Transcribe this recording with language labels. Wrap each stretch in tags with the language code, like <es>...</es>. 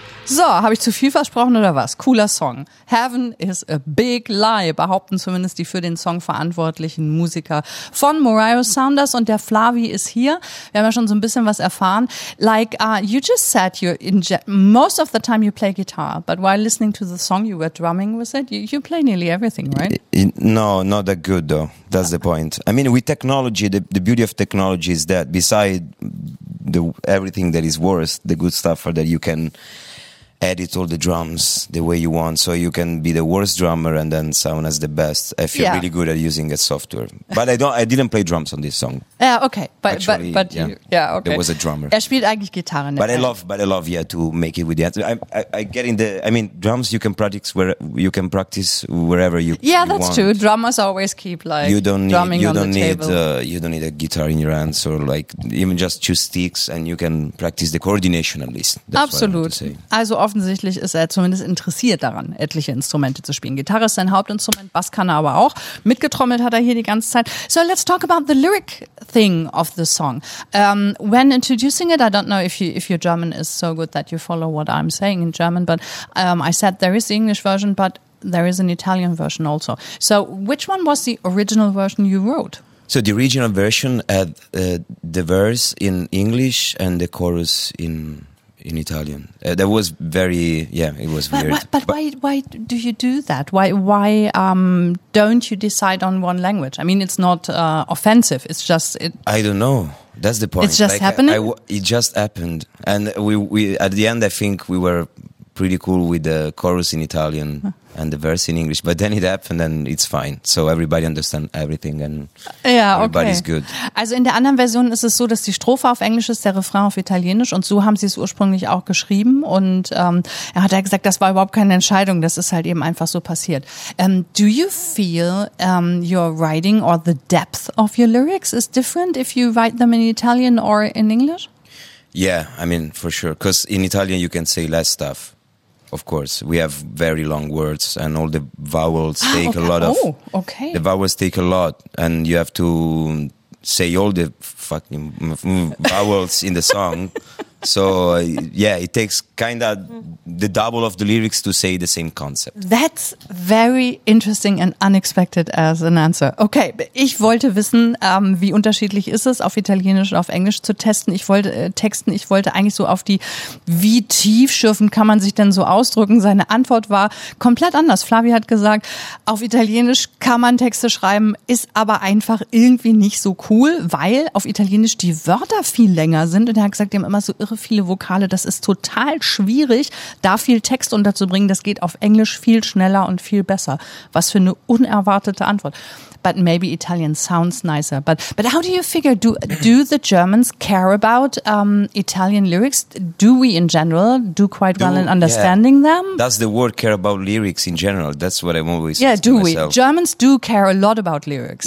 <de>So, habe ich zu viel versprochen oder was? Cooler Song. Heaven is a big lie, behaupten zumindest die für den Song verantwortlichen Musiker von Mariah Saunders. Und der Flavi ist hier. Wir haben ja schon so ein bisschen was erfahren.</de> <en>Like, you just said you most of the time you play guitar, but while listening to the song you were drumming with it, you play nearly everything, right? No, not that good though. That's the point. I mean, with technology, the beauty of technology is that beside the everything that is worse, the good stuff are that you can edit all the drums the way you want, so you can be the worst drummer and then sound as the best if you're really good at using a software. But I didn't play drums on this song. Yeah, okay. But there was a drummer.</en> <de>Er spielt eigentlich Gitarre.</de> <en>But I love to make it with the answer. I mean, drums you can practice wherever you want. Yeah, that's true. Drummers always keep like you don't need you don't need a guitar in your hands or like even just two sticks and you can practice the coordination at least. That's absolut. What I want to say.</en> <de>Also offensichtlich ist er zumindest interessiert daran, etliche Instrumente zu spielen. Gitarre ist sein Hauptinstrument, Bass kann er aber auch. Mitgetrommelt hat er hier die ganze Zeit.</de> <en>So let's talk about the lyric thing of the song. When introducing it, I don't know if your German is so good that you follow what I'm saying in German, but I said there is the English version, but there is an Italian version also. So which one was the original version you wrote? So the original version had the verse in English and the chorus in Italian. That was very, it was weird. But why do you do that? Why don't you decide on one language? I mean, it's not offensive. It's just... I don't know. That's the point. It's just like, happening? It just happened. And we at the end, I think we were pretty cool with the chorus in Italian and the verse in English. But then it happened and it's fine. So everybody understands everything and everybody's good.</en> <de>Also in der anderen Version ist es so, dass die Strophe auf Englisch ist, der Refrain auf Italienisch. Und so haben sie es ursprünglich auch geschrieben. Und er hat ja gesagt, das war überhaupt keine Entscheidung. Das ist halt eben einfach so passiert.</de> <en>Do you feel your writing or the depth of your lyrics is different if you write them in Italian or in English? Yeah, I mean, for sure. Because in Italian you can say less stuff. Of course, we have very long words and all the vowels take a lot of... Oh, okay. The vowels take a lot and you have to say all the fucking vowels in the song. So, it takes kind of the double of the lyrics to say the same concept. That's very interesting and unexpected as an answer.</en> <de>Okay, ich wollte wissen, wie unterschiedlich ist es, auf Italienisch und auf Englisch zu testen. Ich wollte eigentlich so auf die, wie tiefschürfend kann man sich denn so ausdrücken? Seine Antwort war komplett anders. Flavi hat gesagt, auf Italienisch kann man Texte schreiben, ist aber einfach irgendwie nicht so cool, weil auf Italienisch die Wörter viel länger sind. Und er hat gesagt, die haben immer so irre viele Vokale, das ist total schwierig, da viel Text unterzubringen, das geht auf Englisch viel schneller und viel besser. Was für eine unerwartete Antwort.</de> <en>But maybe Italian sounds nicer. But how do you figure, do the Germans care about Italian lyrics? Do we in general do quite well in understanding them? Does the world care about lyrics in general? That's what I'm always saying do to we? Myself. Germans do care a lot about lyrics.</en>